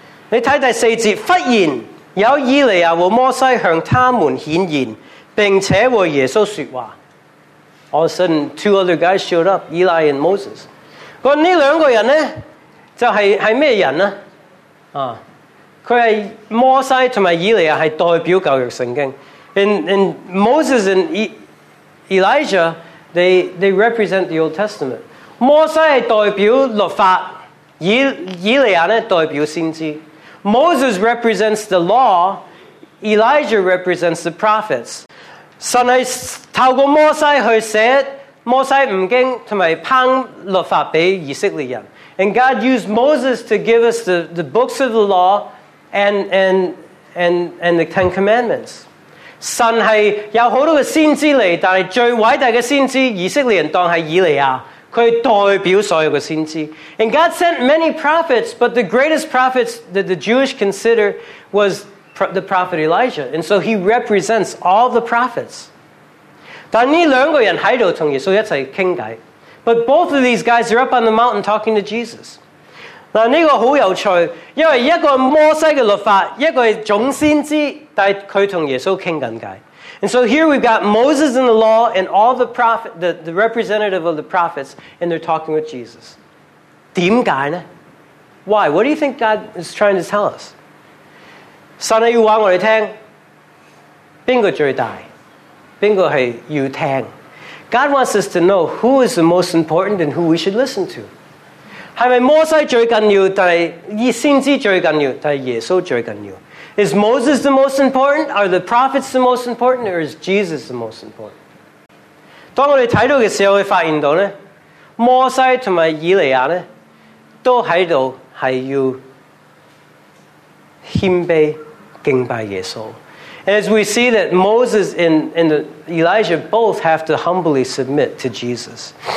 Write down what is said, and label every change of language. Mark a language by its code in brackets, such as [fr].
[zh] 你看第四节，忽然有以利亚和摩西向他们显现，并且和耶稣说话。 [en] All of a sudden, two other guys showed up, Eli and Moses. [zh] 这两个人呢，就是什么人呢？他是摩西和以利亚是代表旧约圣经。 [en] And Moses and Elijah, they represent the Old Testament. [zh] 摩西是代表律法，以利亚呢代表先知。 [en] Moses represents the law, Elijah represents the prophets. [zh] 神是透过摩西去写摩西五经和颁律法给以色列人。 [en] And God used Moses to give us the books of the law and the Ten Commandments. [zh] 神是有很多的先知来，但是最伟大的先知以色列人当是以利亚，他代表所有的先知。 [en] And God sent many prophets, but the greatest prophets that the Jewish consider was the prophet Elijah. And so he represents all the prophets. [zh] 但这两个人在这里跟耶稣一起聊天。 [en] But both of these guys are up on the mountain talking to Jesus. [zh] 这个很有趣，因为一个摩西的律法，一个是总先知，但他跟耶稣聊天。 [en] And so here we've got Moses and the law and all the prophet, the representative of the prophets, and they're talking with Jesus. [zh] 为什么？ [en] Why? What do you think God is trying to tell us? [zh] 神要告诉我们，谁最大？谁是要听？ [en] God wants us to know who is the most important and who we should listen to. [zh] 是不是摩西最重要，但是先知最重要，但是耶稣最重要？ [en] Is Moses the most important? Are the prophets the most important? Or is Jesus the most important? [zh] 当我们看到的时候，会发现到呢，摩西和以利亚呢，都在这里是要谦卑敬拜耶稣。 [en] And as we see that Moses and Elijah both have to humbly submit to Jesus.